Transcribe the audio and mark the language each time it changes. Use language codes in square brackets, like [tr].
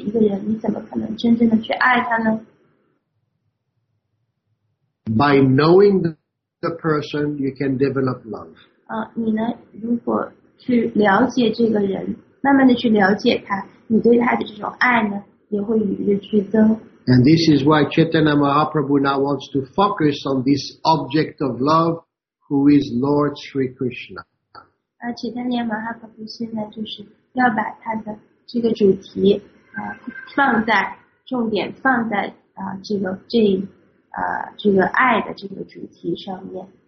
[zh] 这个问题非常的重要，就是你如果不了解一个人，你怎么可能真正的去爱他呢？ [en] By knowing the person, you can develop love. [zh] 你呢，如果去了解这个人，慢慢的去了解他，你对他的这种爱呢，也会与日俱增。 [en] And this is why Chaitanya Mahaprabhu now wants to focus on this object of love, who is Lord Sri Krishna. [zh] 而且丹尼亚马哈巴布现在就是要把他的这个主题放在重点放在这个爱的这个主题上面。